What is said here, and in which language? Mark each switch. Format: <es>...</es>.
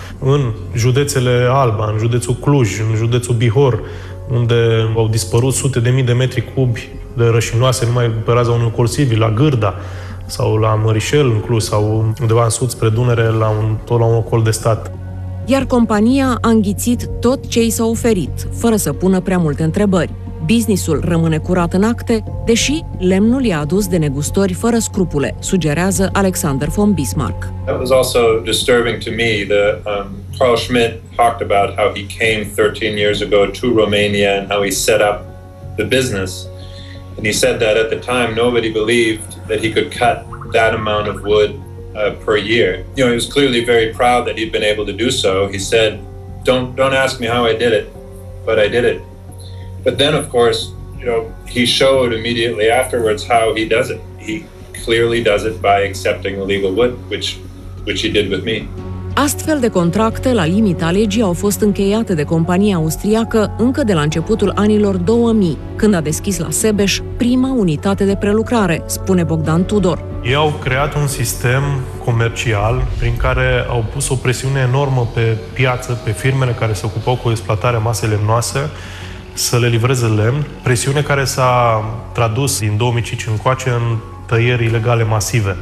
<ro>În județele Alba, în județul Cluj, în județul Bihor, unde au dispărut sute de mii de metri cubi de rășinoase numai pe raza unui col civil, la Gârda sau la Mărișel în Cluj sau undeva în sud spre Dunăre tot la un col de stat. Iar compania a înghițit tot ce i s-a oferit, fără să pună prea multe întrebări. Businessul rămâne curat în acte, deși lemnul i-a adus de negustori fără scrupule, sugerează Alexander von Bismarck.</ro> <en>That was also disturbing to me. Carl Schmidt talked about how he came 13 years ago to Romania and how he set up the business. And he said that at the time, nobody believed that he could cut that amount of wood per year. You know, he was clearly very proud that he'd been able to do so. He said, don't ask me how I did it, but I did it. But then, of course, you know, he showed immediately afterwards how he does it. He clearly does it by accepting illegal wood, which he did with me.</en> <ro>Astfel de contracte, la limita legii, au fost încheiate de compania austriacă încă de la începutul anilor 2000, când a deschis la Sebeș prima unitate de prelucrare, spune Bogdan Tudor. Ei au creat un sistem comercial prin care au pus o presiune enormă pe piață, pe firmele care se ocupau cu exploatarea masei lemnoase, să le livreze lemn, presiune care s-a tradus din 2005 încoace în tăieri ilegale masive.</ro>